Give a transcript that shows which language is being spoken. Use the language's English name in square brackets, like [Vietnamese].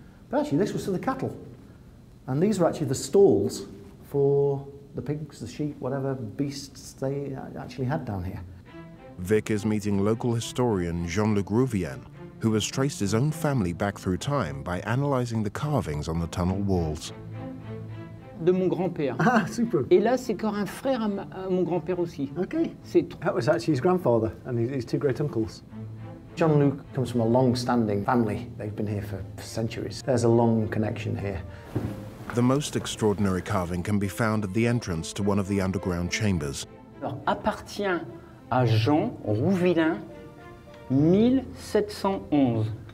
[English] But actually, this was for the cattle. And these were actually the stalls for the pigs, the sheep, whatever beasts they actually had down here. Vic is meeting local historian Jean-Luc Rouvien, who has traced his own family back through time by analyzing the carvings on the tunnel walls. [French] De mon grand-père. Ah, super. Et là, c'est encore un frère à mon grand-père aussi. [English] Okay. That was actually his grandfather and his two great-uncles. Jean-Luc comes from a long-standing family. They've been here for centuries. There's a long connection here. The most extraordinary carving can be found at the entrance to one of the underground chambers. [French] Alors, appartient à Jean Rouvillain, 1711.